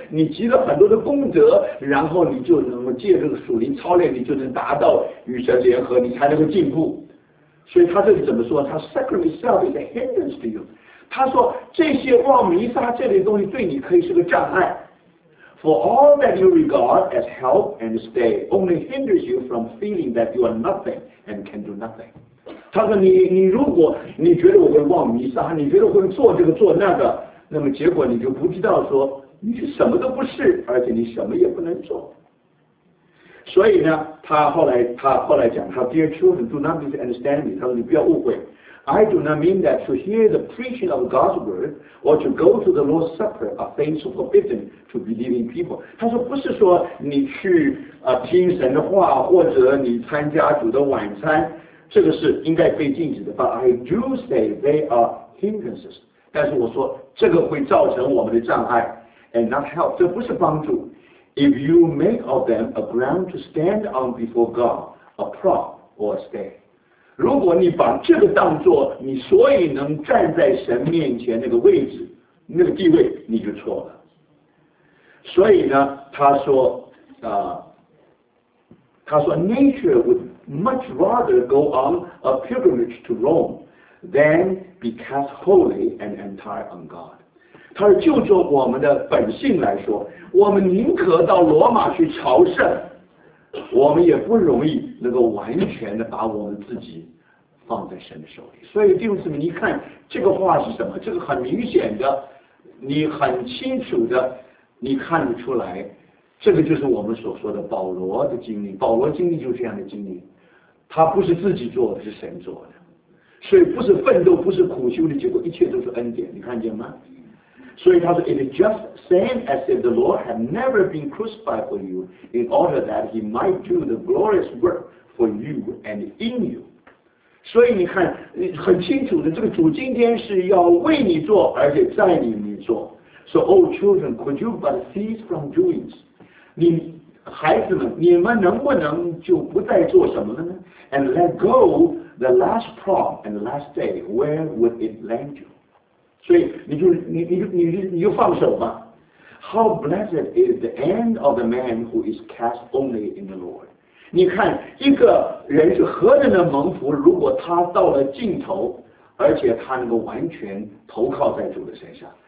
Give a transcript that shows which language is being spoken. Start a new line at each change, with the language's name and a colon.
Chinese: 你积了很多的功德，然后你就能够借这个属灵操练，你就能达到与神联合，你才能够进步。所以他这里怎么说？他
English: sacrament itself is a hindrance to you。
Chinese: 他说这些望弥撒这类东西对你可以是个障碍。
English: For all that you regard as help and stay only hinders you from feeling that you are nothing and can do nothing。
Chinese: 他说你如果你觉得我会忘弥撒，你觉得会做这个做那个，那么结果你就不知道说你是什么都不是，而且你什么也不能做。所以呢，他后来讲，他
English: Dear children, do not misunderstand me.
Chinese: 他说你不要误会。
English: I do not mean that to hear the preaching of God's word or to go to the Lord's Supper are things forbidden to believing people.
Chinese: 他说不是说你去听神的话，或者你参加主的晚餐，这个是应该被禁止的。
English: But I do say they are hindrances.
Chinese: 但是我说这个会造成我们的障碍。
English: And not help.
Chinese: 这不是帮助。
English: If you make of them a ground to stand on before God, a prop or a stay.
Chinese: 如果你把这个当作你所以能站在神面前那个位置，那个地位，你就错了。所以呢，他说
English: Nature would much rather go on a pilgrimage to Rome than be cast wholly and entire on God.
Chinese: 他说就做我们的本性来说，我们宁可到罗马去朝圣，我们也不容易能够完全的把我们自己放在神的手里。所以弟兄姊妹，你看这个话是什么？这个很明显的，你很清楚的，你看得出来，这个就是我们所说的保罗的经历。保罗经历就是这样的经历，他不是自己做的，是神做的，所以不是奋斗，不是苦修的结果，一切都是恩典，你看见吗？所以他说
English: It is just same as if the Lord had never been crucified for you in order that he might do the glorious work for you and in you。
Chinese: 所以你看很清楚的，这个主今天是要为你做，而且在你里做。
English: So oh children, could you but cease from doing this？
Chinese: 你孩子们，你们能不能就不再做什么了呢？
English: And let go the last prom and the last day, where would it land you?
Chinese: 所以你就放手吧。
English: How blessed is the end of the man who is cast only in the Lord?
Chinese: 你看一个人是何等的蒙福，如果他到了尽头，而且他能够完全投靠在主的身上。